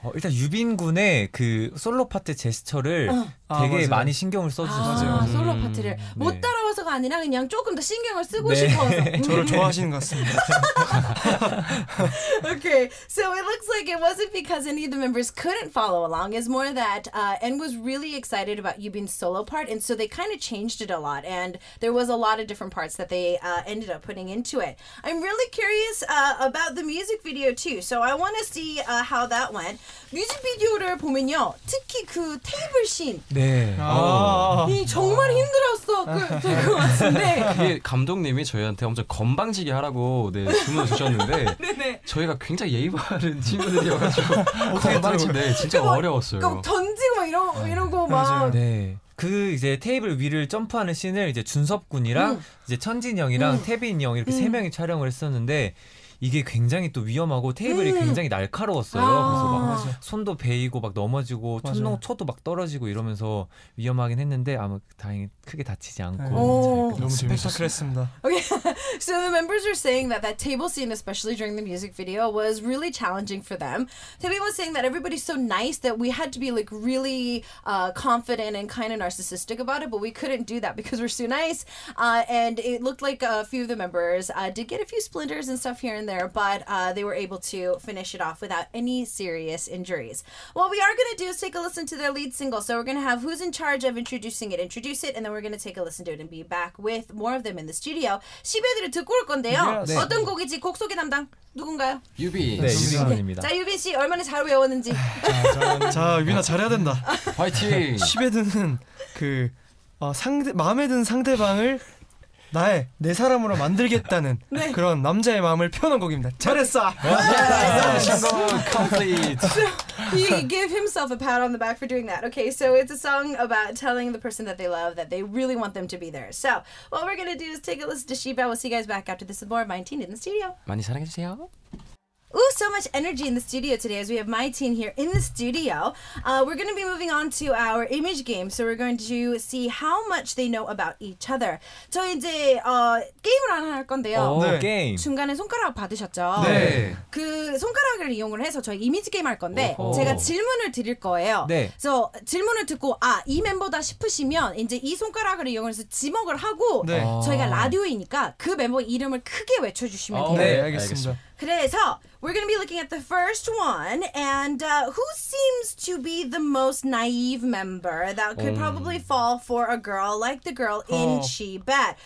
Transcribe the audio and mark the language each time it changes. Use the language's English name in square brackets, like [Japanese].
[Korean] 일단 유빈 군의 그 솔로 파트 제스처를 되게 많이 신경을 써주셨어요. 솔로 파트를 못 따라와서가 아니라 그냥 조금 더 신경을 쓰고 네. 싶어서 저를 좋아하시는 것 같습니다. [English] Okay, so it looks like it wasn't because any of the members couldn't follow along. It's more that N was really excited about Yubin's solo part, and so they kind of changed it a lot. And there was a lot of different parts that they ended up putting into it. I'm really curious about the music video too. So I want to see how that went. [Korean] 뮤직비디오를 보면요, 특히 그 테이블 씬. 네. 이 정말 힘들었어. 그 같은데. 이게 감독님이 저희한테 엄청 건방지게 하라고 네, 주문을 주셨는데 저희가 굉장히 예의 바른 친구들이어가지고 건방지게 네, 진짜 어려웠어요. 그럼 던지고 이런 거 막. 네. 그 이제 테이블 위를 점프하는 씬을 이제 준섭 군이랑 이제 천진 형이랑 태빈 형 이렇게 세 명이 촬영을 했었는데 이게 굉장히 또 위험하고 테이블이 굉장히 날카로웠어요. 그래서 막 맞아. 손도 베이고 막 넘어지고 초도 막 떨어지고 이러면서 위험하긴 했는데 아마 다행히 크게 다치지 않고 너무 스펙터클했습니다. [English] Okay. So the members were saying that that table scene, especially during the music video, was really challenging for them. Taebin was saying that everybody's so nice that we had to be like really confident and kind of narcissistic about it, but we couldn't do that because we're so nice. And it looked like a few of the members did get a few splinters and stuff here and there, but they were able to finish it off without any serious injuries. What we are going to do is take a listen to their lead single. So we're going to have Who's in Charge of Introducing It introduce it, and then we're going to take a listen to it and be back with more of them in the studio. [Korean] 시베드를 듣고 올 건데요. 어떤 곡이지? 곡 소개 담당 누군가요? 유빈. 네, 유빈입니다. 자, 유빈 씨 얼마나 잘 외웠는지. 자, 유빈아 잘해야 된다. 파이팅. 시베드는 그 상대 마음에 든 상대방을 나의 내 사람으로 만들겠다는 네. 그런 남자의 마음을 표현한 곡입니다. 잘했어. [English] He gave himself a pat on the back for doing that. Okay, so it's a song about telling the person that they love that they really want them to be there. So what we're gonna do is take a listen to Sheba. We'll see you guys back after this. More My Teen in the studio. [Korean] 많이 사랑해 주세요. [English] Ooh, so much energy in the studio today as we have my team here in the studio. We're going to be moving on to our image game. So we're going to see how much they know about each other. [Korean] 저희 이제 게임을 하나 할 건데요. 오, 네. 게임. 중간에 손가락 받으셨죠? 네. 그 손가락을 이용을 해서 저희 이미지 게임 할 건데 오, 제가 질문을 드릴 거예요. 네. 그래서 질문을 듣고 아, 이 멤버다 싶으시면 이제 이 손가락을 이용해서 지목을 하고 네. 저희가 라디오이니까 그 멤버 이름을 크게 외쳐주시면 돼요. 네, 알겠습니다. [English] 그래서 we're going to be looking at the first one, and who seems to be the most naive member that could probably fall for a girl like the girl in Chibet.